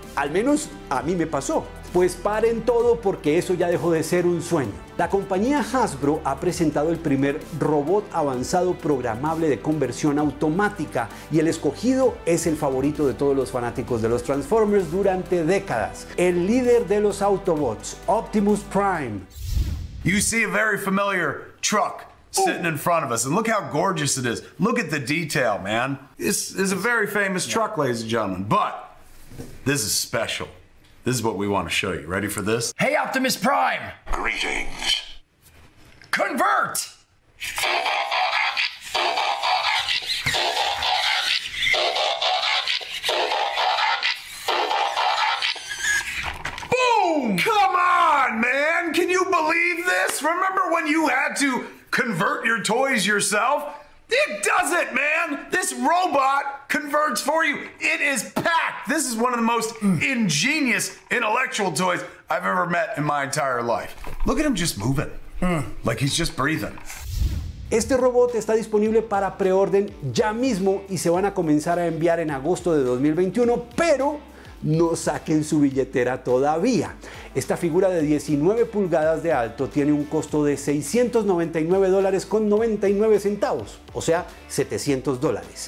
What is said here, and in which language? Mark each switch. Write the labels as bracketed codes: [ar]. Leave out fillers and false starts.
[es] Al menos a mí me pasó. Pues paren todo porque eso ya dejó de ser un sueño. La compañía Hasbro ha presentado el primer robot avanzado programable de conversión automática y el escogido es el favorito de todos los fanáticos de los Transformers durante décadas. El líder de los Autobots, Optimus Prime. [en] You see a very familiar truck sitting in front of us and look how gorgeous it is. Look at the detail, man. This is a very famous truck, ladies and gentlemen, but this is special. This is what we want to show you. Ready for this? Hey, Optimus Prime! Greetings. Convert! Boom! Come on, man! Can you believe this? Remember when you had to convert your toys yourself? It does it, man! This robot converts for you. It is packed. This is one of the most ingenious intellectual toys I've ever met in my entire life. Look at him just moving, like he's just breathing. [es] Este robot está disponible para preorden ya mismo y se van a comenzar a enviar en agosto de 2021, pero no saquen su billetera todavía. Esta figura de 19 pulgadas de alto tiene un costo de $699.99, o sea, $700.